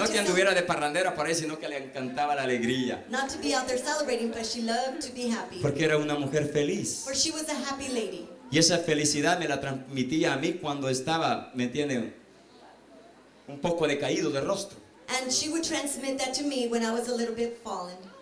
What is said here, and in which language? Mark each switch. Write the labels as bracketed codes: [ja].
[es] No que anduviera de parrandera por ahí, sino que le encantaba la alegría. [en] Not to be out there celebrating, but she loved to be happy. [es] Porque era una mujer feliz. [en] For she was a happy lady. [es] Y esa felicidad me la transmitía a mí cuando estaba, ¿me entienden? un poco decaído de rostro. [en] And she would transmit that to me when I was a little bit fallen.